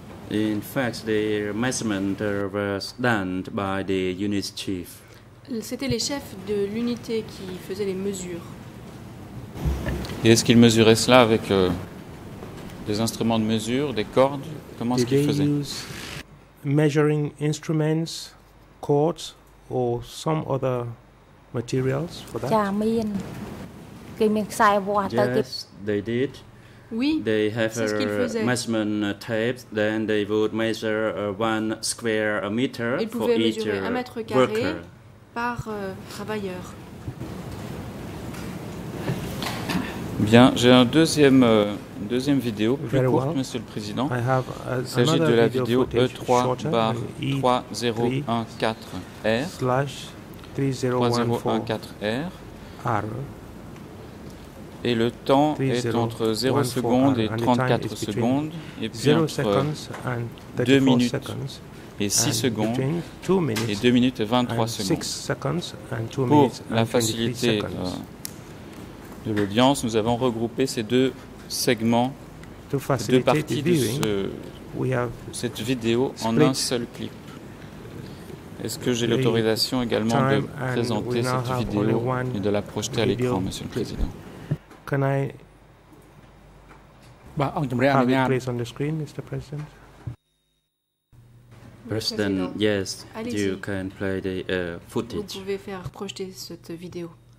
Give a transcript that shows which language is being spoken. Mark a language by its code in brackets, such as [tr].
[en] In fact, the measurement was done by the unit chief. [fr] C'était les chefs de l'unité qui faisaient les mesures. Et est-ce qu'ils mesuraient cela avec des instruments de mesure, des cordes? Comment est-ce qu'ils faisaient? [en] Use measuring instruments, cords or some other materials for that? Yes, they did. [fr] Oui. [en] They have a measurement tape, then they would measure one square meter for each worker [fr] par travailleur. Bien, j'ai une deuxième vidéo plus courte, Monsieur le Président. Il s'agit de la vidéo E3/3014R. Et le temps est entre 0 secondes et 34 secondes, et puis entre 2 minutes et 6 secondes, et 2 minutes et 23 secondes. Pour la facilité de l'audience, nous avons regroupé ces deux segments, ces deux parties de cette vidéo en un seul clip. Est-ce que j'ai l'autorisation également de présenter cette vidéo et de la projeter à l'écran, Monsieur le Président? [en] Can I have it placed on the screen, Mr. President? President, yes, you can play the footage. [fr] Vous pouvez faire projeter cette vidéo.